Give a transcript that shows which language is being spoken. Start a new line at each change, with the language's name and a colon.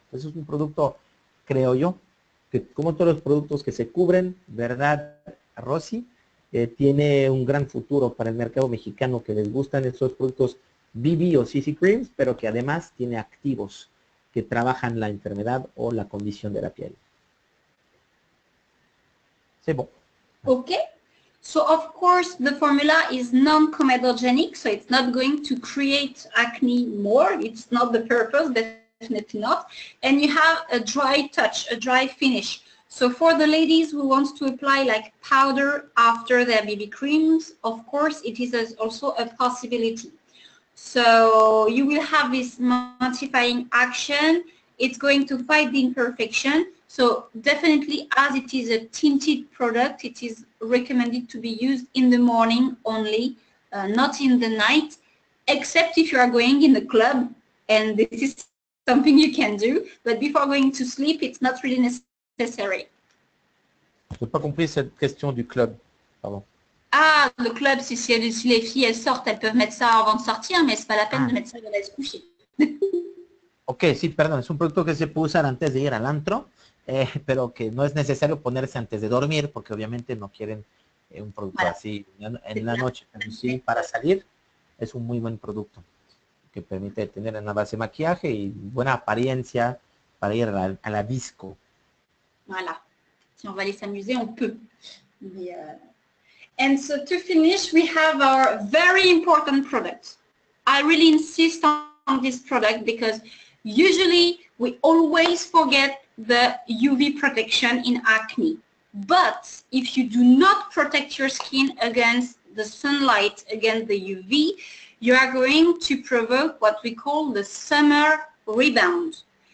Spanish: Entonces es un producto, creo yo, que como todos los productos que se cubren, ¿verdad, Rosy? Tiene un gran futuro para el mercado mexicano que les gustan esos productos BB o CC Creams, pero que además tiene activos que trabajan la enfermedad o la condición de la piel. Sebo. Ok.
English: So, of course, the formula is non-comedogenic, so it's not going to create acne more. It's not the purpose, definitely not. And you have a dry touch, a dry finish. So for the ladies who want to apply like powder after their BB creams, of course, it is also a possibility. So you will have this mattifying action. It's going to fight the imperfection. So definitely, as it is a tinted product, it is recommended to be used in the morning only, not in the night, except if you are going in the club, and this is something you can do. But before going to sleep, it's not really necessary.
French: Je n'ai pas compris cette question du club, pardon. Ah, le club, c'est si les filles elles sortent, elles peuvent mettre ça avant de sortir, mais c'est pas la peine de mettre ça avant de se coucher.
Spanish: Ok, sí, perdón, es un producto que se puede usar antes de ir al antro, pero que no es necesario ponerse antes de dormir, porque obviamente no quieren un producto bueno, así en la noche. Pero sí, para salir es un muy buen producto, que permite tener una base de maquillaje y buena apariencia para ir a la disco.
French: Voilà. Si on va aller s'amuser, on peut.
English: And so to finish, we have our very important product. I really insist on this product because usually we always forget the UV protection in acne. But if you do not protect your skin against the sunlight, against the UV, you are going to provoke what we call the summer rebound.